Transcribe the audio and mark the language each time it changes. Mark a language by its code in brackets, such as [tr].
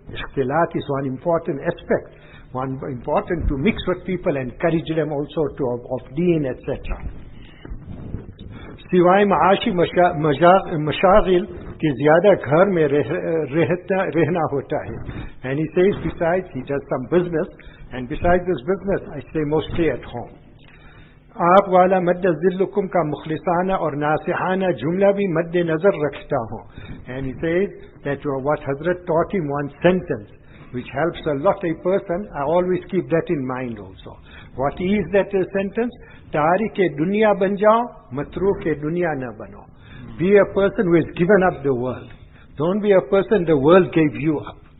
[en] Ikhtilat is one important aspect. One important to mix with people, encourage them also to of deen, etc. [ur] Siwai ma'ashi mashagil ki ziyada ghar mein rehna hota hai. [en] And he says, besides, he does some business, and besides this business, I stay mostly at home. [ur] آپ والا مد ذلکم کا مخلصانہ اور ناصحانہ جملہ بھی مد نظر رکھتا ہوں. [en] And he says that what Hazrat taught him, one sentence which helps a lot a person, I always keep that in mind also. What is that sentence? [ur] تارک دنیا بن جاؤ متروک دنیا نہ بنو. [en] Be a person who has given up the world. Don't be a person the world gave you up.